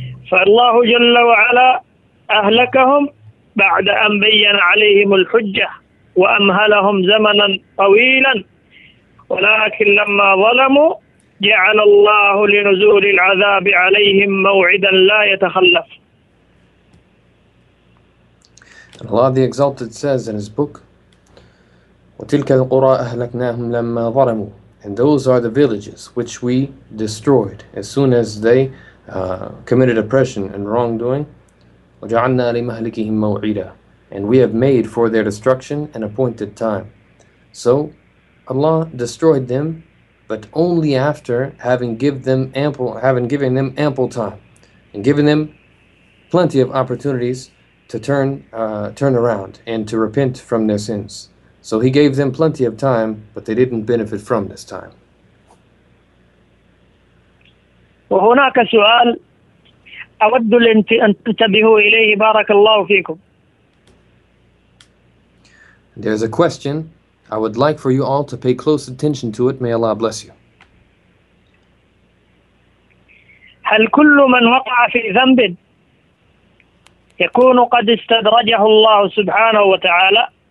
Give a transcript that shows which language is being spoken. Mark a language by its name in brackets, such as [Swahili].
[Arabic] فالله جل وعلا أهلكهم بعد أن بين عليهم الحجة وأمهلهم زمنا طويلا ولكن لما ظلموا جعل الله لنزول العذاب عليهم موعدا لا يتخلف [English] Allah the Exalted says in his book [Arabic] وَتِلْكَ الْقُرَىٰ أَهْلَكْنَاهُمْ لَمَّا ظَرَمُوا [English] And those are the villages which we destroyed as soon as they committed oppression and wrongdoing. [Arabic] وَجَعَلْنَا لِمَهْلِكِهِمْ مَوْعِدًا [English] And we have made for their destruction an appointed time. So Allah destroyed them, but only after having given them ample time and given them plenty of opportunities to turn around and to repent from their sins. So he gave them plenty of time, but they didn't benefit from this time. [Arabic] وهناك سؤال أود أن تنتبهوا إليه بارك الله فيكم. [English] There's a question I would like for you all to pay close attention to it. May Allah bless you. [Arabic] هل كل من وقع في ذنب يكون قد استدرجه الله سبحانه وتعالى؟